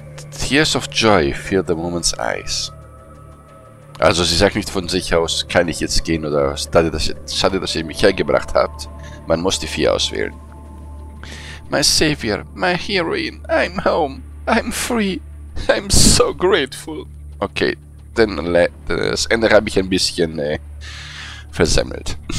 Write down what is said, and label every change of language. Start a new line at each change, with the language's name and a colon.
English: Tears of joy fill the woman's eyes.
German: Also sie sagt nicht von sich aus, kann ich jetzt gehen oder schade, dass ihr mich hergebracht habt. Man muss die vier auswählen.
English: My savior, my heroine, I'm home, I'm free, I'm so grateful.
German: Okay, denn das Ende habe ich ein bisschen versemmelt.